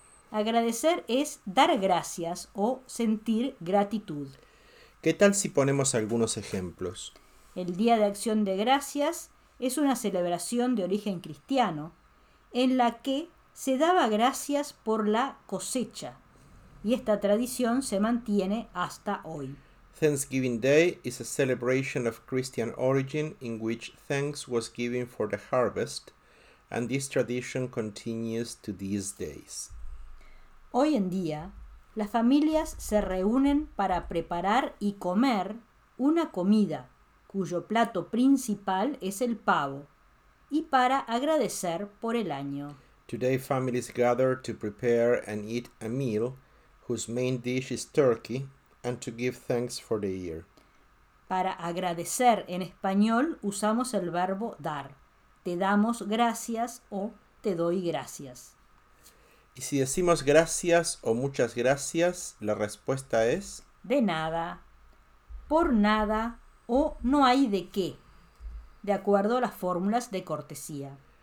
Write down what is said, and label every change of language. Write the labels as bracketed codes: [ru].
[es] Agradecer es dar gracias o sentir gratitud. ¿Qué tal si ponemos algunos ejemplos? El Día de Acción de Gracias es una celebración de origen cristiano en la que se daba gracias por la cosecha. Y esta tradición se mantiene hasta hoy. [en] Thanksgiving Day is a celebration of Christian origin in which thanks was given for the harvest, and this tradition continues to these days. [es] Hoy en día, las familias se reúnen para preparar y comer una comida cuyo plato principal es el pavo, y para agradecer por el año. [en] Today families gather to prepare and eat a meal whose main dish is turkey, and to give thanks for the year. [es] Para agradecer en español usamos el verbo dar. Te damos gracias o te doy gracias. Y si decimos gracias o muchas gracias, la respuesta es... De nada, por nada o no hay de qué, de acuerdo a las fórmulas de cortesía.